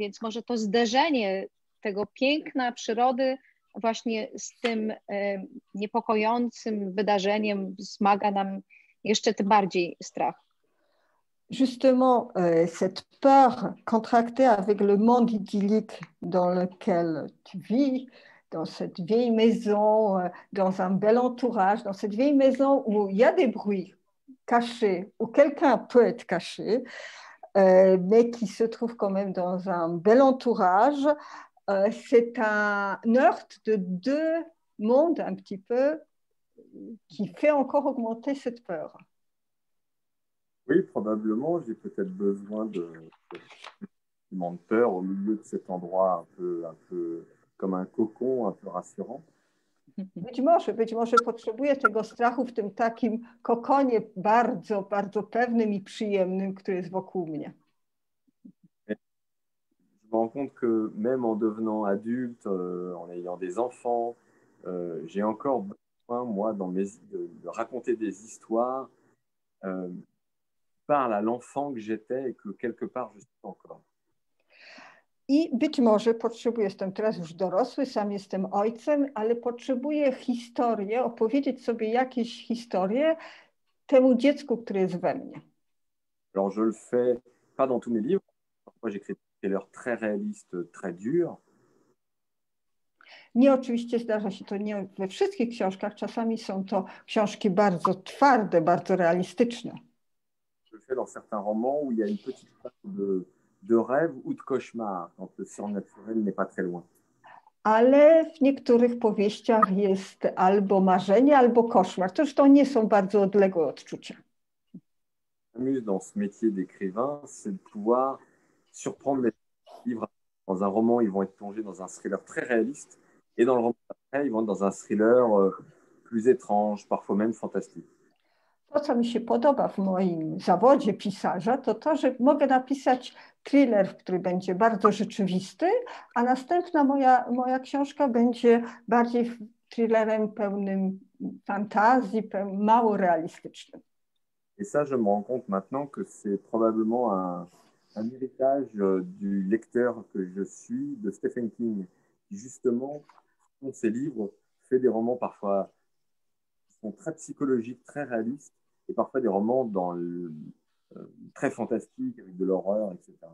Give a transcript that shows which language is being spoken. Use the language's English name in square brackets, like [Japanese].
[Polish] Więc może to zderzenie tego piękna przyrody właśnie z tym niepokojącym wydarzeniem wzmaga nam jeszcze tym bardziej strach. [French] Justement, cette peur contractée avec le monde idyllique dans lequel tu vis, dans cette vieille maison, dans un bel entourage, dans cette vieille maison où il y a des bruits cachés, où quelqu'un peut être caché, mais qui se trouve quand même dans un bel entourage, c'est un heurte de deux mondes un petit peu qui fait encore augmenter cette peur. Oui, probablement, j'ai peut-être besoin de peur au milieu de cet endroit un peu comme un cocon, un peu rassurant. [Polish] Być może potrzebuję tego strachu w tym takim kokonie bardzo, bardzo pewnym i przyjemnym, który jest wokół mnie. [French] Rends compte que même en devenant adulte, en ayant des enfants, j'ai encore besoin, moi, de raconter des histoires. Parle à l'enfant que j'étais et que quelque part je suis encore. [Polish] I być może potrzebuję, jestem teraz już dorosły, sam jestem ojcem, ale potrzebuję historię, opowiedzieć sobie jakieś historie temu dziecku, które jest we mnie. [French] Alors je le fais pas dans tous mes livres, parfois j'écris des thrillers très réalistes, très durs. [Polish] Nie, oczywiście zdarza się to nie we wszystkich książkach, czasami są to książki bardzo twarde, bardzo realistyczne. [French] Dans certains romans où il y a une petite part de rêve ou de cauchemar, quand le surnaturel n'est pas très loin. [Polish] Ale w niektórych powieściach jest albo marzenie, albo koszmar. To już to nie są bardzo odległe odczucia. [French] Amuse dans ce métier d'écrivain, c'est de pouvoir surprendre les livres. Dans un roman, ils vont être plongés dans un thriller très réaliste, et dans le roman après, ils vont être dans un thriller plus étrange, parfois même fantastique. [Polish] To, co mi się podoba w moim zawodzie pisarza, to, że mogę napisać thriller, który będzie bardzo rzeczywisty, a następna moja książka będzie bardziej thrillerem pełnym fantazji, mało realistycznym. [French] Et ça, je me rends compte maintenant que c'est probablement un héritage du lecteur que je suis, de Stephen King, qui justement, dans ses livres, fait des romans parfois qui sont très psychologiques, très réalistes, et parfois des romans très fantastiques, avec de l'horreur, etc.